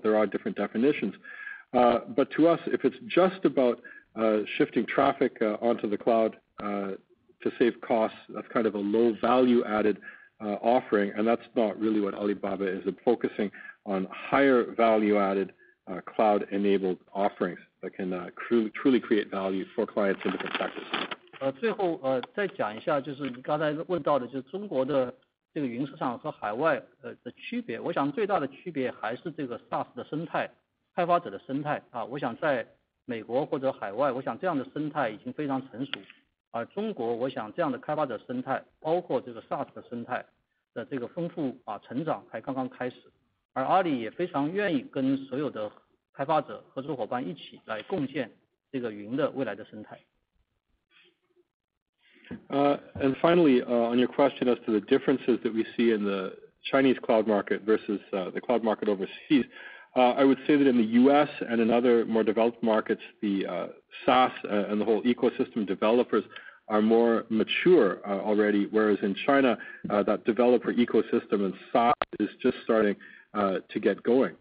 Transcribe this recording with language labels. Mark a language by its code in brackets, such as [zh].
[en] There are different definitions. But to us, if it's just about shifting traffic onto the cloud to save costs, that's kind of a low value added offering, and that's not really what Alibaba is. It's focusing on higher value-added cloud-enabled offerings that can truly create value for clients in different sectors. [zh] 最后再讲一下，就是你刚才问到的，就是中国的这个云市场和海外的区别，我想最大的区别还是这个 SaaS 的生态，开发者的生态啊。我想在美国或者海外，我想这样的生态已经非常成熟，而中国我想这样的开发者生态，包括这个 SaaS 的生态的这个丰富啊成长还刚刚开始，而阿里也非常愿意跟所有的开发者合作伙伴一起来共建这个云的未来的生态。 [en] And finally, on your question as to the differences that we see in the Chinese cloud market versus the cloud market overseas, I would say that in the U.S. and in other more developed markets, the SaaS and the whole ecosystem developers are more mature already, whereas in China, that developer ecosystem and SaaS is just starting to get going.